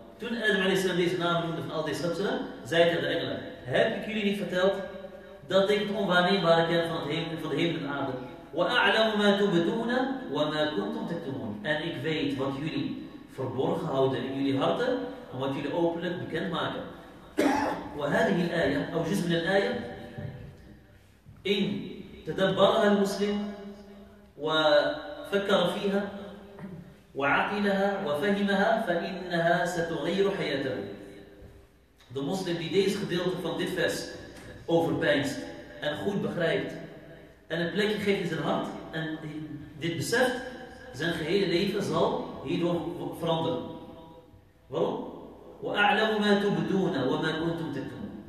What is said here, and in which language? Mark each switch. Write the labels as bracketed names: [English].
[Dutch] Toen Adam alayhi salam deze naam noemde van al deze schepselen, zei hij tegen de engelen, heb ik jullie niet verteld dat ik het onwaarneembare ken van de hemel en aarde? [Arabic] وَأَعْلَمُ مَا تُبْدُونَ وَمَا كُنْتُمْ تَكْتُمُونَ. [Dutch] En ik weet wat jullie verborgen houden in jullie harten, en wat jullie openlijk bekend maken. [Arabic] وهذه الآية أو جزء من الآية إن تدبرها المسلم وفكر فيها وعقلها وفهمها فإنها ستغير حياته. [Dutch] De moslim die deze gedeelte van dit vers overpeinst en goed begrijpt en een plekje geeft in zijn hart en dit beseft, zijn gehele leven zal hierdoor veranderen. Waarom? [Arabic] وَأَعْلَمُ مَا تُبْدُونَ وَمَا كُنْتُمْ تَكْتُمُونَ.